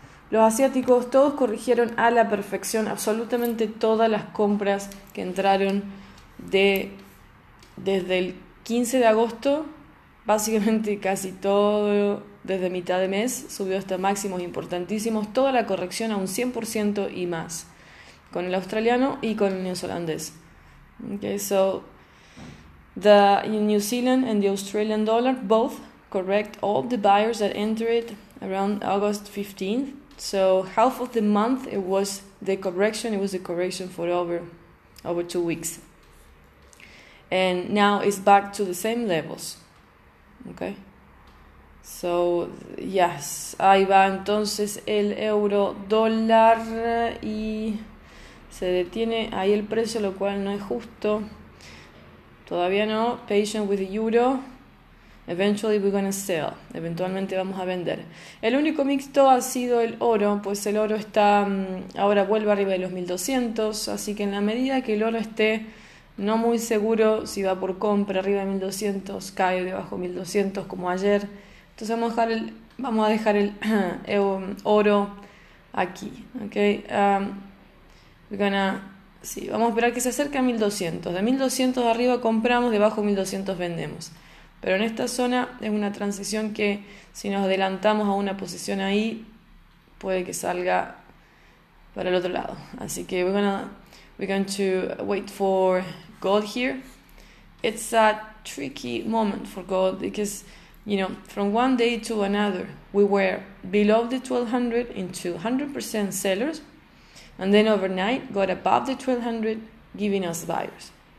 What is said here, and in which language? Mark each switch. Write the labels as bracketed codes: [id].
[es] Los asiáticos todos corrigieron a la perfección absolutamente todas las compras que entraron desde el 15 de agosto. Básicamente casi todo desde mitad de mes subió hasta máximos importantísimos, toda la corrección a un 100% y más con el australiano y con el neozelandés. [en] Okay, so the New Zealand and the Australian dollar both correct all the buyers that entered around August 15th. So half of the month it was the correction for over 2 weeks. And now it's back to the same levels. Okay, so yes, [es] ahí va entonces el euro dólar y se detiene ahí el precio, lo cual no es justo. Todavía no, [en] patient with the euro. Eventually we're gonna sell. [es] Eventualmente vamos a vender. El único mixto ha sido el oro, pues el oro está ahora vuelve arriba de los 1200, así que en la medida que el oro esté no muy seguro si va por compra arriba de 1200, cae debajo de 1200 como ayer. Entonces vamos a dejar el oro aquí. Okay? Vamos a esperar que se acerque a 1200. De 1200 arriba compramos, debajo de 1200 vendemos. Pero en esta zona es una transición que si nos adelantamos a una posición ahí, puede que salga para el otro lado. Así que [en] we're going to wait for gold here. It's a tricky moment for gold because, you know, from one day to another, we were below the 1200 into 100% sellers, and then overnight got above the 1200, giving us buyers.